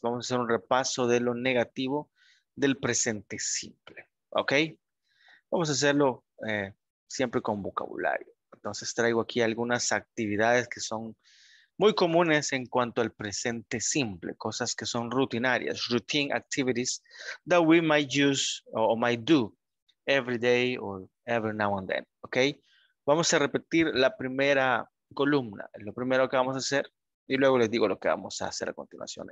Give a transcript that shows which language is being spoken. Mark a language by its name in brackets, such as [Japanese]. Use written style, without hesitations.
[Spanish] Vamos a hacer un repaso de lo negativo del presente simple. Ok. Vamos a hacerlo siempre con vocabulario. Entonces traigo aquí algunas actividades que son muy comunes en cuanto al presente simple. Cosas que son rutinarias. [English] Routine activities that we might use or might do every day or every now and then. [Spanish] Ok. Vamos a repetir la primera columna. Lo primero que vamos a hacer y luego les digo lo que vamos a hacer a continuación.